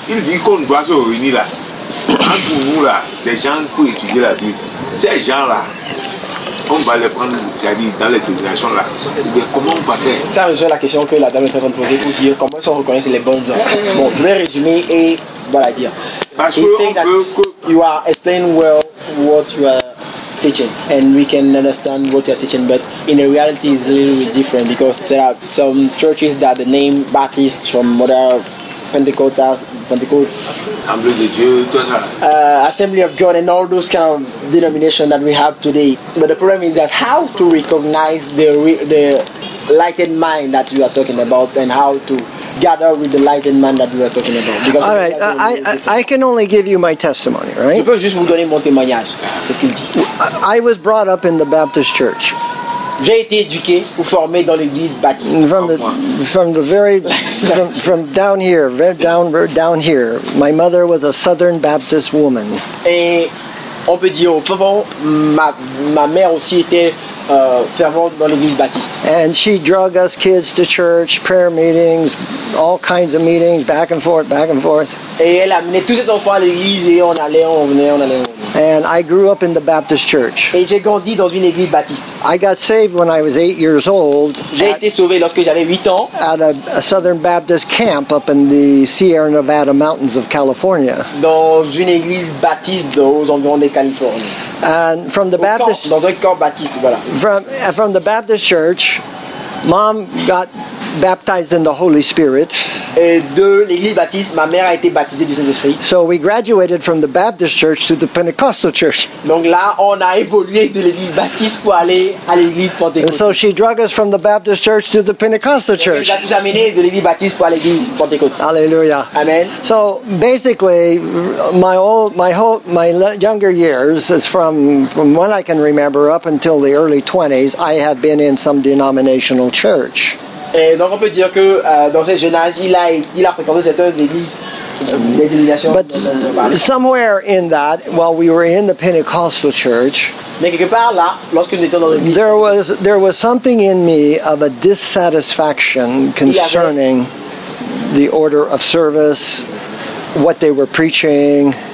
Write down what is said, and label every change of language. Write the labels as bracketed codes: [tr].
[fr] Il dit qu'on doit se réunir là. Entre nous là, les gens pour étudier la Bible. Ces gens là, on va les prendre, c'est-à-dire dans les dominations là. Mais comment on va faire? Ça rejoint la question que la dame est en train de poser pour dire comment on reconnaît les bonnes gens. Bon, je vais résumer et voilà dire. Parce que on veut que [en] you are explaining well what you are teaching, and we can understand what you're teaching, but in reality it's a little bit different because there are some churches that the name Baptist from other Pentecostals, Assembly of God, and all those kind of denominations that we have today. But the problem is that how to recognize the lightened mind that you are talking about, and how to gather with the lightened mind that you are talking about. Because all right, I can only give you my testimony, right? [fr] Je peux juste vous donner mon témoignage. [en] I was brought up in the Baptist church. [fr] J'ai été éduqué ou formé dans l'église baptiste. [en] From down here, down here. My mother was a Southern Baptist woman. [fr] Et on peut dire au fond, ma mère aussi était fervente dans l'église baptiste. [en] And she drug us kids to church, prayer meetings, all kinds of meetings, back and forth. [fr] Et elle amenait tous ses enfants à l'église et on allait. [en] And I grew up in the Baptist church. [fr] Et j'ai grandi dans une église baptiste. [en] I got saved when I was 8 years old. [fr] J'ai été sauvé lorsque j'avais 8 ans. [en] At a Southern Baptist camp up in the Sierra Nevada mountains of California. [fr] Dans une église baptiste aux environs de Californie. [en] And from the Baptist [fr] camp, dans un camp baptiste, voilà. [en] From the Baptist church, Mom got baptized in the Holy Spirit. [fr] Et de l'église baptiste, ma mère a été baptisée du Saint-Esprit. [en] So we graduated from the Baptist church to the Pentecostal church. [fr] Donc là, on a évolué de l'église baptiste pour aller à l'église pentecôtiste. [en] So she drug us from the Baptist church to the Pentecostal church. [fr] Elle nous a amené de l'église baptiste pour aller à l'église pentecôtiste. Alléluia. Amen. [en] So basically, my younger years is from when I can remember up until the early 20s, I have been in some denominational church. [fr] Et donc on peut dire que dans ses jeunes âges, il a fréquenté certaines églises. [en] But somewhere in that, while we were in the Pentecostal church, there was something in me of a dissatisfaction concerning the order of service, what they were preaching.